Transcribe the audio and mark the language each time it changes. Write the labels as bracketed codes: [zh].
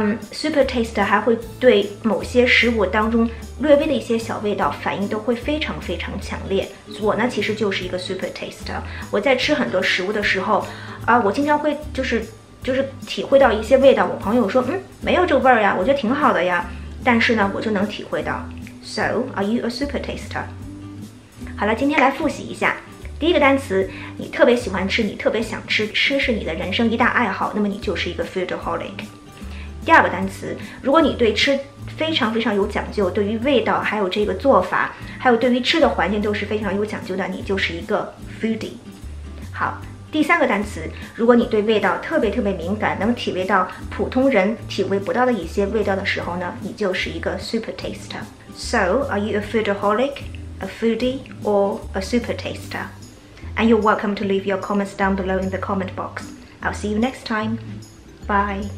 [zh] Super taster 还会对某些食物当中略微的一些小味道反应都会非常非常强烈。我呢其实就是一个 super taster， 我在吃很多食物的时候我经常会就是体会到一些味道，我朋友说没有这个味儿呀，我觉得挺好的呀，但是呢我就能体会到。 [en] So are you a super taster? [zh] 好了，今天来复习一下。第一个单词，你特别喜欢吃，你特别想吃，吃是你的人生一大爱好，那么你就是一个 foodaholic。第二个单词，如果你对吃非常非常有讲究，对于味道还有这个做法还有对于吃的环境都是非常有讲究的，你就是一个 foodie。好，第三个单词，如果你对味道特别特别敏感，能体味到普通人体味不到的一些味道的时候呢，你就是一个 super taster。 [en] So are you a foodaholic, a foodie or a super taster? And you're welcome to leave your comments down below in the comment box. I'll see you next time. Bye.